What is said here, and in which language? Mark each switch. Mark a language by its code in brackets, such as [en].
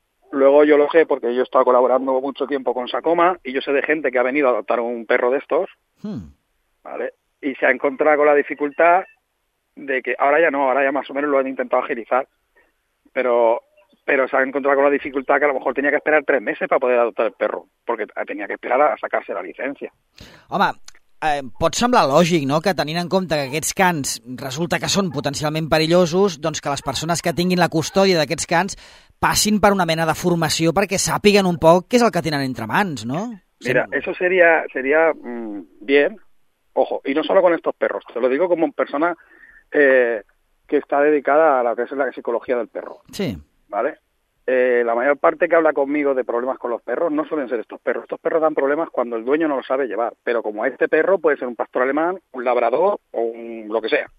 [es] Luego yo lo sé porque yo he estado colaborando mucho tiempo con Sacoma y yo sé de gente que ha venido a adoptar un perro de estos. Hmm. ¿Vale? Y se ha encontrado con la dificultad de que ahora ya no, ahora ya más o menos lo han intentado agilizar. Pero se ha encontrado con la dificultad que a lo mejor tenía que esperar 3 meses para poder adoptar el perro, porque tenía que esperar a sacarse la licencia. [ca] Home, pot semblar lògic, no?, que tenint en compte que aquests cans resulta que són potencialment perillosos, doncs que les persones que tinguin la custòdia d'aquests cans passin per una mena de formació perquè sàpiguen un poc què és el que tenen entre mans, no? [es] Mira, eso sería bien, ojo, y no solo con estos perros, te lo digo como persona que está dedicada a lo que es la psicología del perro. Sí. ¿Vale? La mayor parte que habla conmigo de problemas con los perros no suelen ser estos perros. Estos perros dan problemas cuando el dueño no los sabe llevar. Pero como a este perro puede ser un pastor alemán, un labrador o un lo que sea.